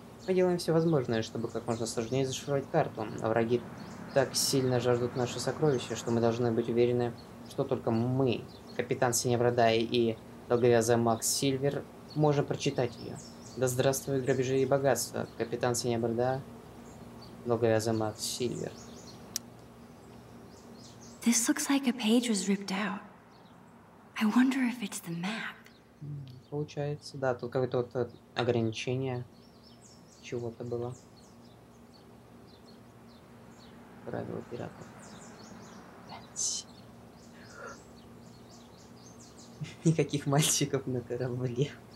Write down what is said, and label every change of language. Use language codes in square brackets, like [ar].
[ru] Мы делаем все возможное, чтобы как можно сложнее зашифровать карту. Враги так сильно жаждут наши сокровища, что мы должны быть уверены, что только мы, капитан Синеврадай и долговязый Макс Сильвер, можем прочитать ее. Да здравствует грабежи и богатство, капитан Синеборда, долговязый Макс Сильвер. [en] This looks like a page was ripped out. I wonder if it's the map. [ru] Получается, да, тут какое-то вот ограничение чего-то было. Правило пиратов. Никаких мальчиков на корабле.